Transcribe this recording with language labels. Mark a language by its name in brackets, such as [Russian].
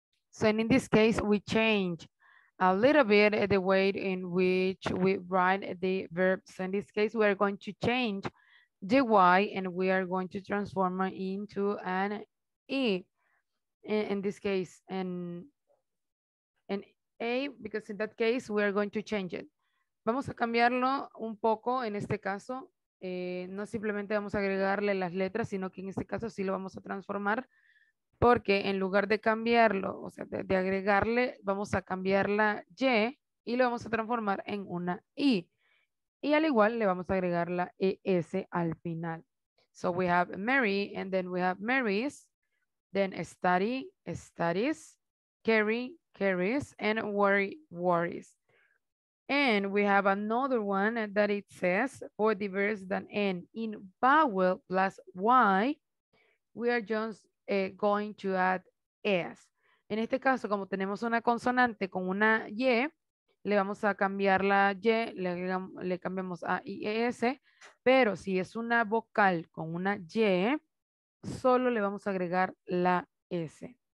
[English] So in this case, we change a little bit the way in which we write the verbs. In this case, we are going to change the Y and we are going to transform it into an E. In this case, an A, because in that case, we are going to change it. [Spanish] Vamos a cambiarlo un poco en este caso. No simplemente vamos a agregarle las letras, sino que en este caso sí lo vamos a transformar. Porque en lugar de cambiarlo, o sea, de agregarle, vamos a cambiar la Y y lo vamos a transformar en una I. Y al igual le vamos a agregar la ES al final. [English] So we have Mary, and then we have Mary's, then study, studies, carry, carries, and worry, worries. And we have another one that it says, for the verbs that end in vowel plus Y, we are just going to add S. [Spanish] En este caso, como tenemos una consonante con una Y, le vamos a cambiar la Y, le cambiamos a IES, pero si es una vocal con una Y, solo le vamos a agregar la S.